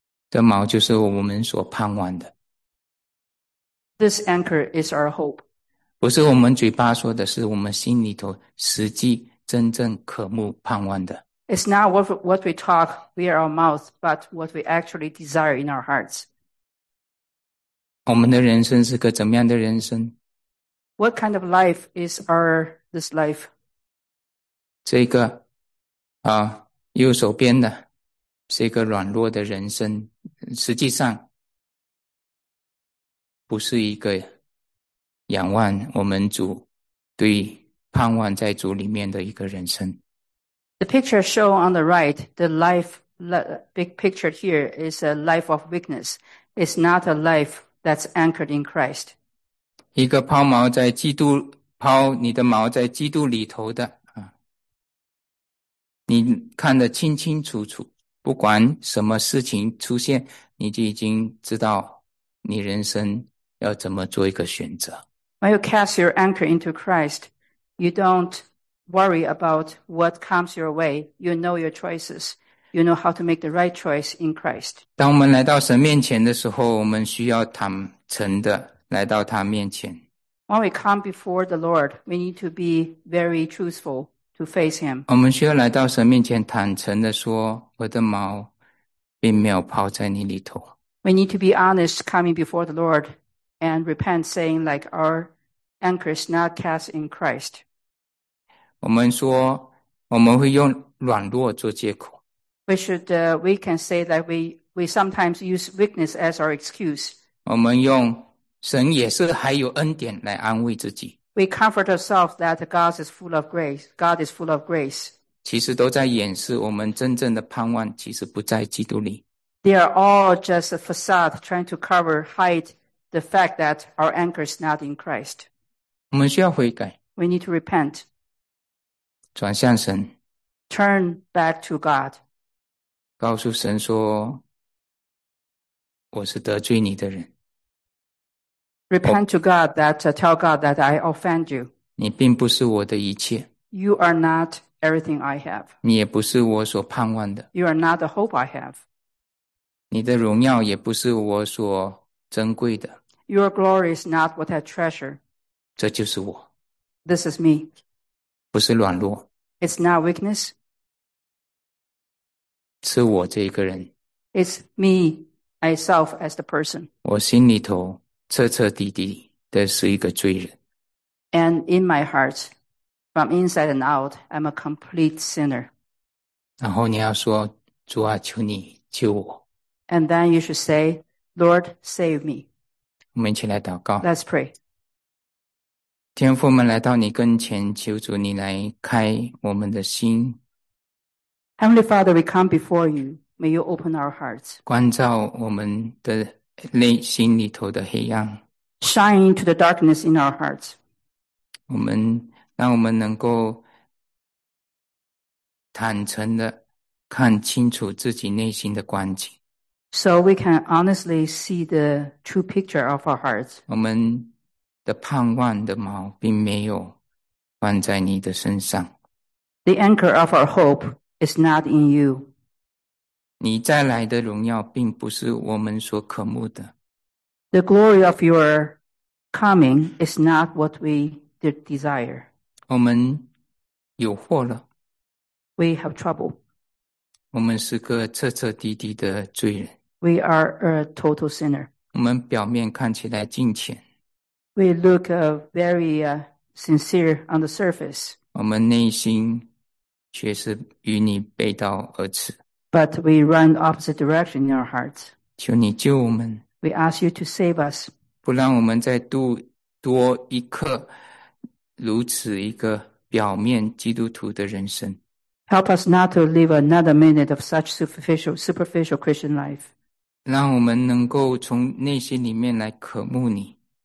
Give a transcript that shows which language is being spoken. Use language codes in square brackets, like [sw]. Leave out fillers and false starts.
[zh] 这锚就是我们所盼望的。 [en] This anchor is our hope. [zh] 不是我们嘴巴说的，是我们心里头实际真正渴慕盼望的。 [en] It's not what we talk via our mouth, but what we actually desire in our hearts. [zh] 我们的人生是个怎么样的人生 [en] ？What kind of life is this life? [zh] 这个。啊，右手边的是一个软弱的人生，实际上不是一个仰望我们主，对盼望在主里面的一个人生。 [en] The picture shown on the right, the life big picture here is a life of weakness. It's not a life that's anchored in Christ. [zh] 一个抛锚在基督，抛你的锚在基督里头的。你看得清清楚楚，不管什么事情出现，你就已经知道你人生要怎么做一个选择。 [en] When you cast your anchor into Christ, you don't worry about what comes your way. You know your choices. You know how to make the right choice in Christ. [zh] 当我们来到神面前的时候，我们需要坦诚的来到他面前。 [en] When we come before the Lord, we need to be very truthful. To face him. [zh] 我们需要来到神面前坦诚地说我的锚并没有抛在你里头。 [en] We need to be honest coming before the Lord and repent saying like our anchor is not cast in Christ. [zh] 我们说我们会用软弱做借口。 [en] We can say that we sometimes use weakness as our excuse. [zh] 我们用神也是还有恩典来安慰自己。 [en] We comfort ourselves that God is full of grace. God is full of grace. [zh] 其实都在掩饰我们真正的盼望其实不在基督里。 [en] They are all just a facade trying to cover, hide the fact that our anchor is not in Christ. [zh] 我们需要悔改。 [en] We need to repent. [zh] 转向神。 [en] Turn back to God. [zh] 告诉神说我是得罪你的人。 [en] Repent to God that tell God that I offend you. [zh] 你并不是我的一切。 [en] You are not everything I have. [zh] 你也不是我所盼望的。 [en] You are not the hope I have. [zh] 你的荣耀也不是我所珍贵的。 [en] Your glory is not what I treasure. [zh] 这就是我。 [en] This is me. [zh] 不是软弱。 [en] It's not weakness. [zh] 是我这一个人。 [en] It's me, myself as the person. [zh] 我心里头彻彻底底的是一个罪人。 [en] And in my heart, from inside and out, I'm a complete sinner. [zh] 然后你要说，主啊，求你救我。 [en] And then you should say, Lord, save me. [zh] 我们一起来祷告。 [en] Let's pray. [zh] 天父，我们来到你跟前，求主你来开我们的心。 [en] Heavenly Father, we come before you. May you open our hearts. [zh] 关照我们的内心里头的黑暗 [en] Shine into the darkness in our hearts. [zh] 我们让我们能够坦诚的看清楚自己内心的光景 [en] So we can honestly see the true picture of our hearts. [zh] 我们的盼望的锚并没有放在你的身上 [en] The anchor of our hope is not in you. [zh] 你再来的荣耀并不是我们所渴慕的。 [en] The glory of your coming is not what we desire. [zh] 我们有祸了。 [en] We have trouble. [zh] 我们是个彻彻底底的罪人。 [en] We are a total sinner. [zh] 我们表面看起来敬虔。 [en] We look very sincere on the surface. [zh] 我们内心却是与你背道而驰。 [en] But we run opposite direction in our hearts. [zh] 求你救我们。 [en] We ask you to save us. [zh] 不让我们再度多一刻如此一个表面基督徒的人生。 [en] Help us not to live another minute of such superficial Christian life. [zh] 让我们能够从内心里面来渴慕你。